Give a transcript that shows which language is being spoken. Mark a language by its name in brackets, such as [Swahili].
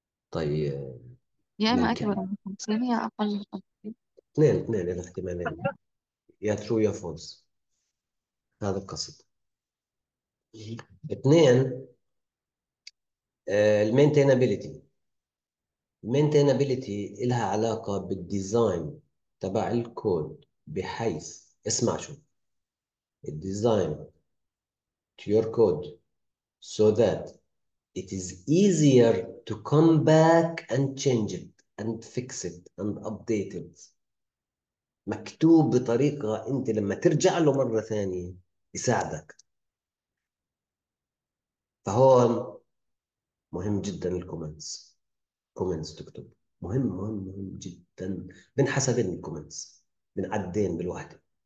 [Arabic] طيب يا إما ممكن أكبر من 50 يا أقل من 50. اثنين الاحتمالين، يا ترو يا فولس، هذا القصد. اثنين المينتينابيليتي. المينتينابيليتي لها علاقة بالديزاين تبع الكود، بحيث اسمع شو الديزاين [English] to your code so that it is easier to come back and change it and fix it and update it. [Arabic] مكتوب بطريقة انت لما ترجع له مرة ثانية يساعدك. فهون مهم جدا الكومنتس، كومنتس تكتب، مهم مهم مهم جدا. بنحسبين الكومنتس، بنعدين بالوحدة.